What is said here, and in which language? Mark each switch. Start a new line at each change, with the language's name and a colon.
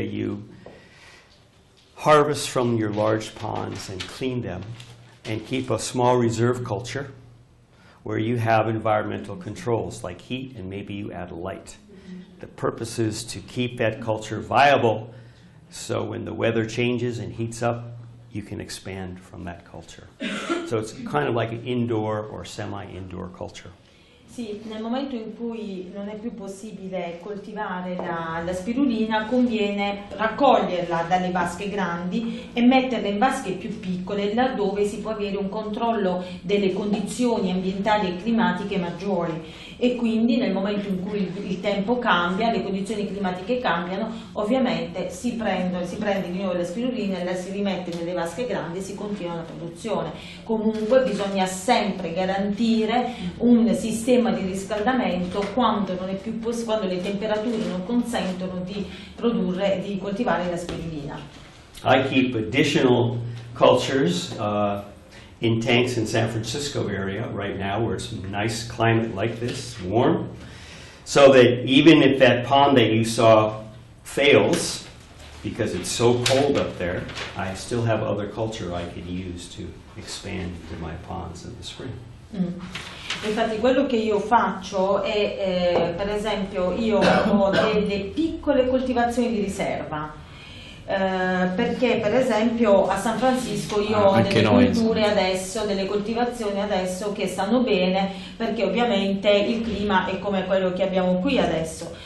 English: You harvest from your large ponds and clean them and keep a small reserve culture where you have environmental controls like heat and maybe you add light. The purpose is to keep that culture viable so when the weather changes and heats up, you can expand from that culture. So it's kind of like an indoor or semi-indoor culture.
Italian: Sì, nel momento in cui non è più possibile coltivare la spirulina, conviene raccoglierla dalle vasche grandi e metterla in vasche più piccole, laddove si può avere un controllo delle condizioni ambientali e climatiche maggiori. E quindi nel momento in cui il tempo cambia, le condizioni climatiche cambiano, ovviamente si prende di nuovo la spirulina e la si rimette nelle vasche grandi e si continua la produzione. Comunque bisogna sempre garantire un sistema di riscaldamento quando le temperature non consentono di produrre, di coltivare la spirulina.
English: I keep additional cultures in tanks in San Francisco area right now where it's nice climate like this, warm, so that even if that pond that you saw fails, because it's so cold up there, I still have other culture I can use to expand into my ponds in the spring. Mm.
Italian: Infatti quello che io faccio è, per esempio, io ho delle piccole coltivazioni di riserva. Perché per esempio a San Francisco io ho delle culture adesso, delle coltivazioni adesso che stanno bene, perché ovviamente il clima è come quello che abbiamo qui adesso.